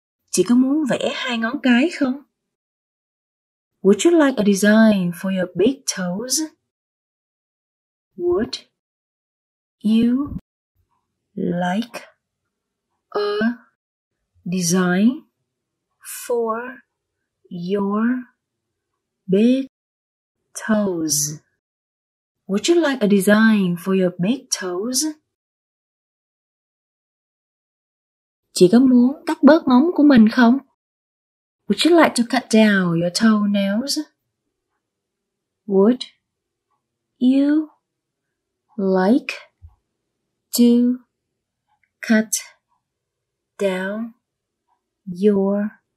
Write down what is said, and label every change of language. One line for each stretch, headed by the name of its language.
Vietnamese: Chị có muốn vẽ hai ngón cái không?
English: Would you like a design for your big toes? Would you like a design for your big toes? Would you like a design for your big toes?
Vietnamese: Chị có muốn cắt bớt móng của mình không?
English: Would you like to cut down your toenails? Would you like to cut down your